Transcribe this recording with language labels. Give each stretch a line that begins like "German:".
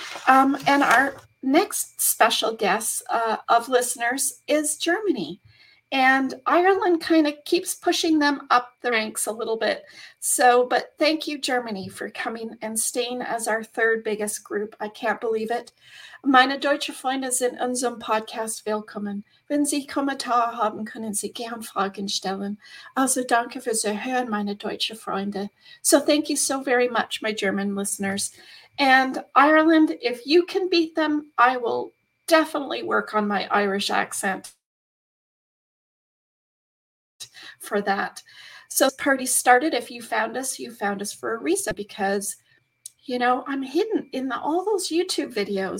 English: And our next special guest of listeners is Germany. And Ireland kind of keeps pushing them up the ranks a little bit. So, but thank you, Germany, for coming and staying as our third biggest group. I can't believe it.
German: Meine deutsche Freunde sind in unserem Podcast willkommen. Wenn Sie Kommentare haben, können Sie gern Fragen stellen. Also danke fürs Hören, meine deutsche Freunde.
English: So thank you so very much, my German listeners. And Ireland, if you can beat them, I will definitely work on my Irish accent for that. So party started. If you found us for a reason, because, you know, I'm hidden in all those YouTube videos.